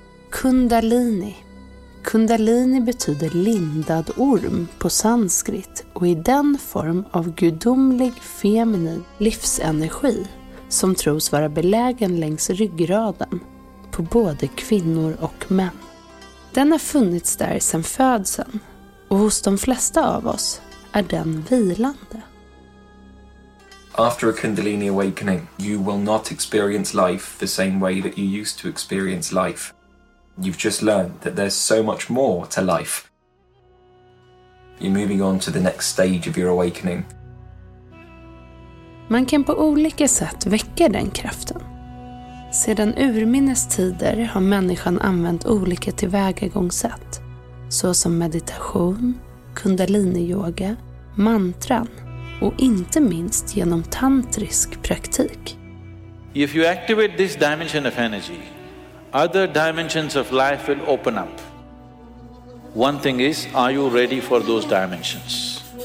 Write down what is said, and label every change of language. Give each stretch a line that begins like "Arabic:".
Swedish: Kundalini. Kundalini betyder lindad orm på sanskrit och är den form av gudomlig feminin livsenergi som tros vara belägen längs ryggraden på både kvinnor och män. Den har funnits där sedan födseln, och hos de flesta av oss är den vilande.
English: After a kundalini awakening, you will not experience life the same way that you used to experience life. You've just learned that there's so much more to life. You're moving on to the next stage of your awakening.
Swedish: Man kan på olika sätt väcka den kraften. Sedan urminnes tider har människan använt olika tillvägagångssätt, såsom meditation, kundaliniyoga, mantran och inte minst genom tantrisk praktik.
English: If you activate this dimension of energy, other dimensions of life will open up. One thing is, are you ready for those dimensions?